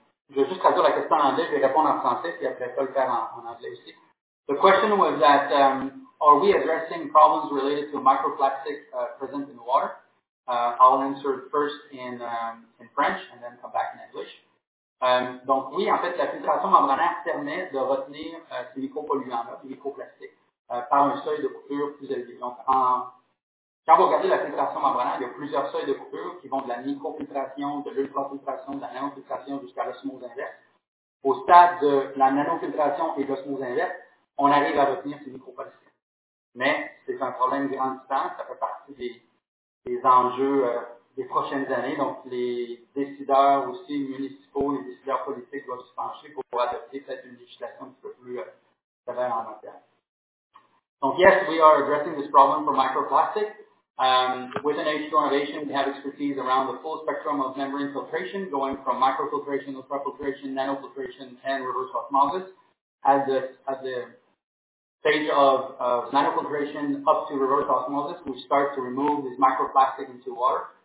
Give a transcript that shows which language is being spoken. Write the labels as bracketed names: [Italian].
[French] Je vais juste traduire la question en anglais, je vais répondre en français, puis après ça le faire en anglais aussi. [English] The question was that, are we addressing problems related to microplastics present in water? I'll answer first in French and then come back in English. [French] Donc oui, en fait, la filtration membranaire permet de retenir ces micropolluants-là, ces microplastiques, par un seuil de coupure plus élevé. Donc, quand vous regardez la filtration membranaire, il y a plusieurs seuils de coupure qui vont de la microfiltration, de l'ultrafiltration, de la nanofiltration jusqu'à l'osmose inverse. Au stade de la nanofiltration et de l'osmose inverse, on arrive à retenir ces microplastiques. Mais c'est un problème de grande distance, ça fait partie des enjeux les prochaines années, donc les décideurs aussi municipaux, les décideurs politiques doivent se pencher pour adopter peut-être une législation un petit peu plus sévère en matière. [English] Donc, yes, we are addressing this problem for microplastic. With an H2O innovation, we have expertise around the full spectrum of membrane filtration, going from microfiltration, ultrafiltration, nanofiltration, and reverse osmosis, at the stage of nanofiltration up to reverse osmosis, we start to remove this microplastic into water.